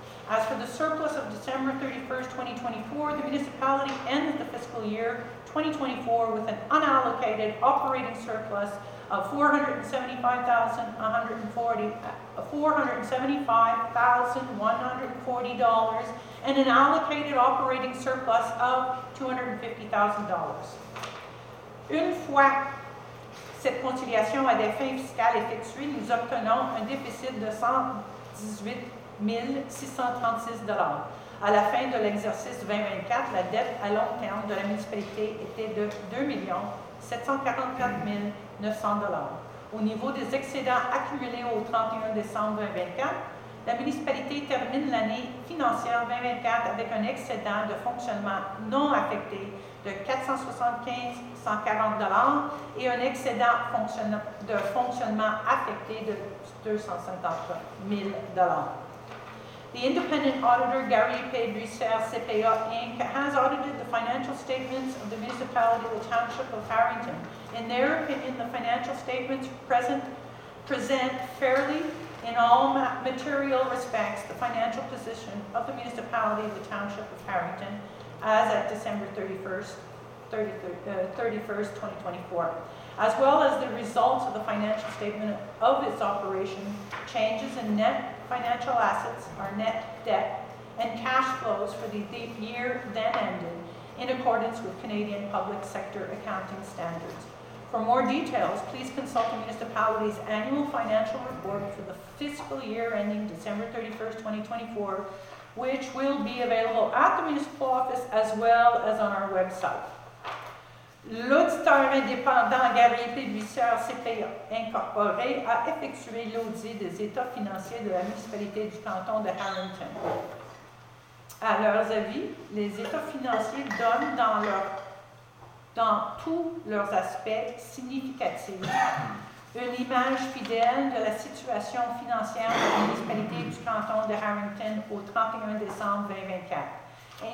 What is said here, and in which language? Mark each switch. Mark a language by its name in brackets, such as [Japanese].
[English] As for the surplus of December 31st, 2024, the municipality ended the fiscal year 2024 with an unallocated operating surplus of $475,140 and an allocated operating surplus of $250,000. [French] Une fois cette conciliation à des fins fiscales effectuée, nous obtenons un déficit de $118,636. À la fin de l'exercice 2024, la dette à long terme de la municipalité était de $2,744,900. Au niveau des excédents accumulés au 31 décembre 2024, la municipalité termine l'année financière 2024 avec un excédent de fonctionnement non affecté de $475,140 et un excédent de fonctionnement affecté de $250,000. [English] The independent auditor, Gary P. Bussier, CPA Inc., has audited the financial statements of the municipality of the Township of Harrington. In their opinion, the financial statements present fairly in all material respects the financial position of the municipality of the Township of Harrington as at December 31st, 2024. As well as the results of the financial statement of its operation, changes in net financial assets, our net debt, and cash flows for the year then ended in accordance with Canadian public sector accounting standards. For more details, please consult the municipality's annual financial report for the fiscal year ending December 31st, 2024, which will be available at the municipal office as well as on our website. [French] L'auditeur indépendant Gary P. Bussier, CPA Incorporé, a effectué l'audit des états financiers de la municipalité du canton de Harrington. À leurs avis, les états financiers donnent dans tous leurs aspects significatifs une image fidèle de la situation financière de la municipalité du canton de Harrington au 31 décembre 2024.